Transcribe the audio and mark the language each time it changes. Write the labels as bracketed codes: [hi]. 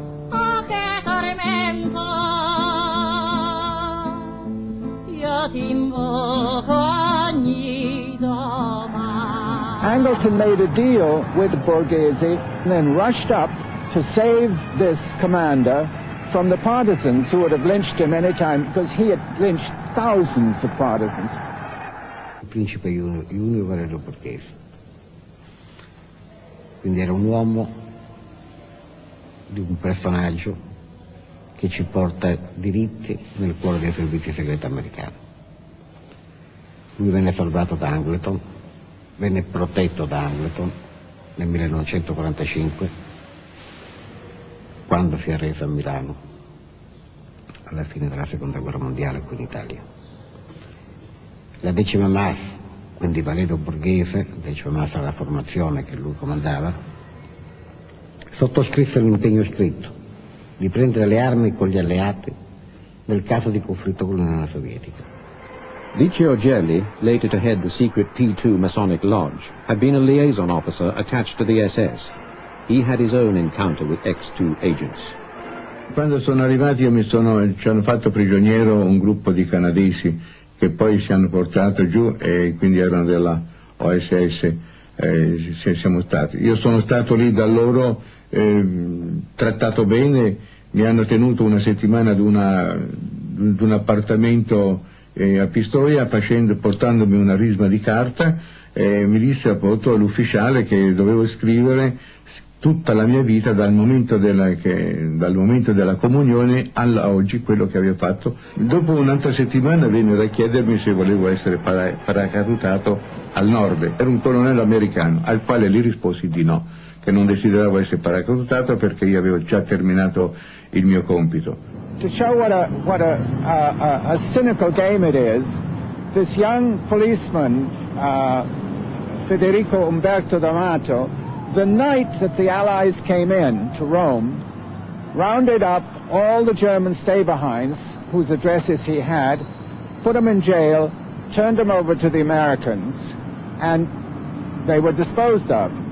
[it] Oh, che tormento, io ti invoco ogni domani. [en] Angleton made a deal with Borghese and then rushed up to save this commander from the partisans who would have lynched him any time, because he had lynched thousands of partisans. [it] Il principe Junior Valerio Borghese. Quindi era un uomo di un personaggio che ci porta diritti nel cuore dei servizi segreti americani. Lui venne salvato da Angleton, venne protetto da Angleton nel 1945, quando si è reso a Milano. Alla fine della seconda guerra mondiale qui in Italia. La decima MAS, quindi Valerio Borghese, decima MAS alla formazione che lui comandava, sottoscrisse l'impegno scritto di prendere le armi con gli alleati nel caso di conflitto con l'Unione Sovietica. [en] Licio Gelli, later to head the secret P2 Masonic Lodge, had been a liaison officer attached to the SS. He had his own encounter with X2 agents. [it] Quando sono arrivati ci hanno fatto prigioniero un gruppo di canadesi che poi si hanno portato giù e quindi erano della OSS, siamo stati. Io sono stato lì da loro, trattato bene, mi hanno tenuto una settimana ad un appartamento a Pistoia portandomi una risma di carta e mi disse appunto l'ufficiale che dovevo scrivere tutta la mia vita dal momento della comunione alla oggi, quello che avevo fatto. Dopo un'altra settimana venne da chiedermi se volevo essere paracadutato al nord. Era un colonnello americano, al quale gli risposi di no, che non desideravo essere paracadutato perché io avevo già terminato il mio compito. [en] To show what a cynical game it is, this young policeman, Federico Umberto D'Amato, the night that the Allies came in to Rome, rounded up all the German stay-behinds, whose addresses he had, put them in jail, turned them over to the Americans, and they were disposed of.